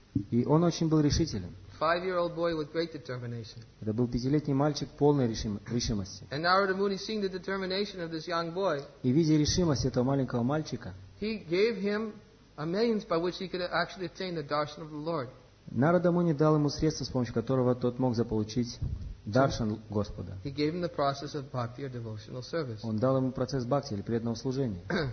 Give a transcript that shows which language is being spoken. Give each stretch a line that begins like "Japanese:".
Russian: И он очень был решителен.
English: Five-year-old boy with great determination.
Russian: Это был пятилетний мальчик полной решимости.
English: And Narada Muni, seeing the determination of this young boy,
Russian: и видя решимость этого маленького мальчика,
English: he gave him a means by which he could actually attain the darshan of the Lord.
Russian: Narada Muni дал ему средства, с помощью которого тот мог заполучить даршан Господа.
English: He gave him the process of bhakti or devotional service.
Russian: Он дал ему процесс бхакти или преданного служения.